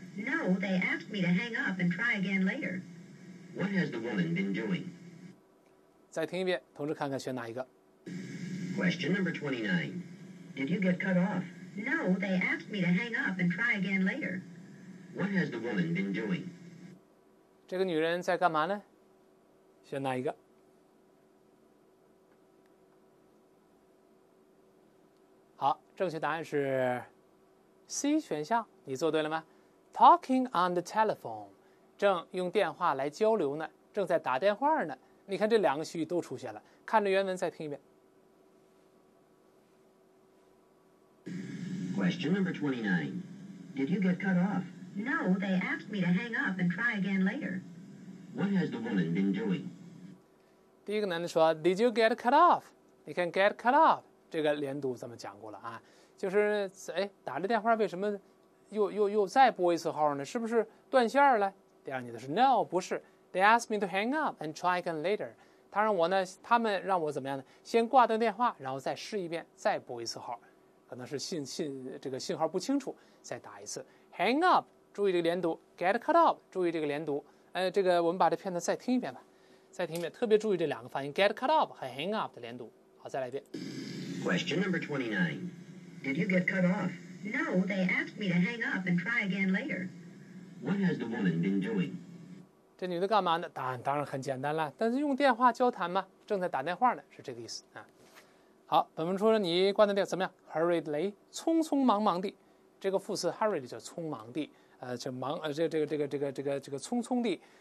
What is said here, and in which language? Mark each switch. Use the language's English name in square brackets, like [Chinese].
[English] No, they asked me to hang up and try again later. What has the woman been doing? [Chinese] 再听一遍，同志看看选哪一个。 [English] Question number 29. Did you get cut off? No, they asked me to hang up and try again later. What has the woman been doing? [Chinese] 这个女人在干嘛呢？选哪一个？好，正确答案是 C 选项，你做对了吗？ [English] Talking on the telephone， [Chinese] 正用电话来交流呢，正在打电话呢。你看这两个区域都出现了，看着原文再听一遍。 [English] Question number 29. Did you get cut off? No, they asked me to hang up and try again later. What has the woman been doing? [Chinese] 第一个男的说 [English] Did you get cut off? [Chinese] 你看 get cut off这个连读咱们讲过了啊，就是哎，打着电话为什么又再拨一次号呢？是不是断线了？第二，你的是 No， 不是。 [English] They asked me to hang up and try again later。 [Chinese] 他让我呢，他们让我怎么样呢？先挂断电话，然后再试一遍，再拨一次号。可能是信号不清楚，再打一次。 Hang up， 注意这个连读。Get cut off， 注意这个连读。这个我们把这片子再听一遍吧，再听一遍，特别注意这两个发音 ，get cut off 和 hang up 的连读。好，再来一遍。 [English] Question number 29. Did you get cut off? No, they asked me to hang up and try again later. What has the woman been doing? [Chinese] 这女的干嘛呢？答案当然很简单了，但是用电话交谈嘛，正在打电话呢，是这个意思啊。好，本文说你挂断电话怎么样 ？Hurriedly， 匆匆忙忙地，这个副词 hurriedly 叫匆忙地，匆匆地。